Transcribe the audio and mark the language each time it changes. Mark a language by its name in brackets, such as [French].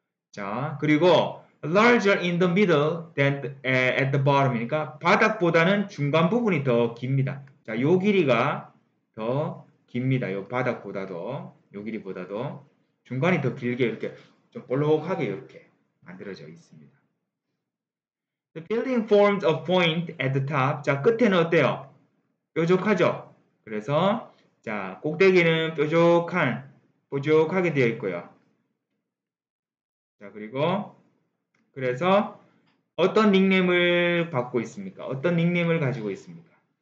[English] 자, 그리고 larger in the middle than at the bottom이니까 [Korean] 바닥보다는 중간 부분이 더 깁니다. 자, 요 길이가 더 깁니다. 요 바닥보다도 요 길이보다도 중간이 더 길게 이렇게 좀 볼록하게 이렇게 만들어져 있습니다. [English] The building forms a point at the top. [Korean] 자, 끝에는 어때요? 뾰족하죠? 그래서 자, 꼭대기는 뾰족하게 되어 있고요. 자, 그리고 그래서 어떤 닉네임을 받고 있습니까? 어떤 닉네임을 가지고 있습니까?